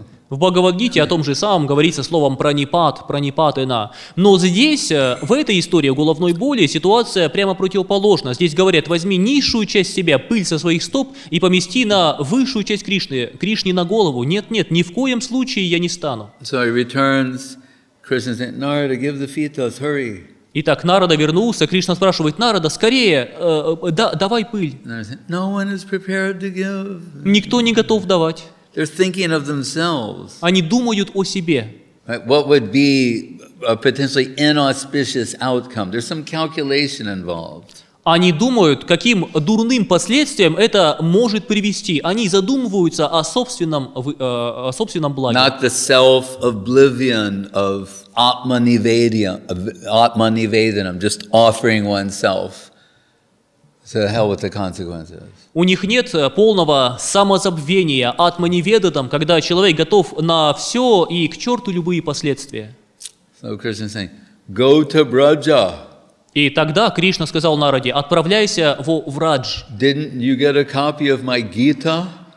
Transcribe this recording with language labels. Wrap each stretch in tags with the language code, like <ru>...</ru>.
<ru>В Бхагавад-гите о том же самом говорится словом пранипат, пранипатена. Но здесь, в этой истории о головной боли, ситуация прямо противоположна. Здесь говорят, возьми низшую часть себя, пыль со своих стоп, и помести на высшую часть Кришны, Кришне на голову. Нет, нет, ни в коем случае я не стану.</ru> <en>So he returns, Krishna says, Narada, give the feet to us, hurry.</en> <ru>Итак, Нарада вернулся, Кришна спрашивает, Нарада, скорее, давай пыль.</ru> <en>No one is prepared to give.</en> <ru>Никто не готов давать.</ru> <en>They're thinking of themselves.</en> <ru>Они думают о себе.</ru> <en>What would be a potentially inauspicious outcome? There's some calculation involved.</en> <ru>Они думают, каким дурным последствиям это может привести. Они задумываются о собственном благе.</ru> <en>Not the self-oblivion of Atmanivedanam, just offering oneself. So hell with the consequences.</en> <ru>У них нет полного самозабвения, атманиведанам, когда человек готов на все и к черту любые последствия.</ru> <en>So Krishna saying, go to Braja.</en> <ru>И тогда Кришна сказал Нараде, отправляйся в Врадж.</ru> <en>Didn't you get a copy of my Gita?</en>